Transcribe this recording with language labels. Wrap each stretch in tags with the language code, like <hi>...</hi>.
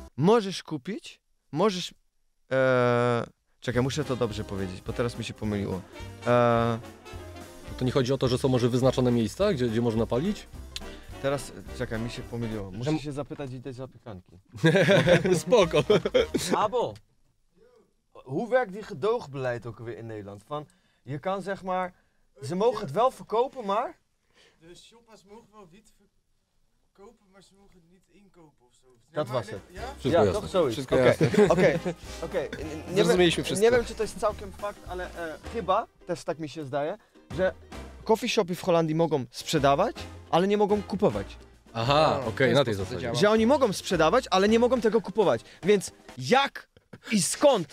<pl>Możesz kupić, możesz... Czekaj, muszę to dobrze powiedzieć, bo teraz mi się pomyliło. To nie chodzi o to, że są może wyznaczone miejsca, gdzie można palić? Teraz, czekaj, mi się pomyliło. Muszę się zapytać, gdzie jest zapiekanki. Spoko. Albo...</pl> <nl>Hoe werkt die gedoogbeleid ook weer in Nederland? Van, je kan zeg maar, ze mogen het wel verkopen, maar... De shoppers mogen wel wiet verkopen, maar ze mogen het niet inkopen ofzo. Ja, dat was het. Ja, toch zoiets. Oké.</nl> <pl>Zrozumieliśmy wszystko. Nie wiem, czy to jest całkiem fakt, ale chyba, też tak mi się zdaje, że coffee shopy w Holandii mogą sprzedawać, ale nie mogą kupować. Aha, okej, okay, na tej zasadzie. Że oni mogą sprzedawać, ale nie mogą tego kupować. Więc jak i skąd?</pl>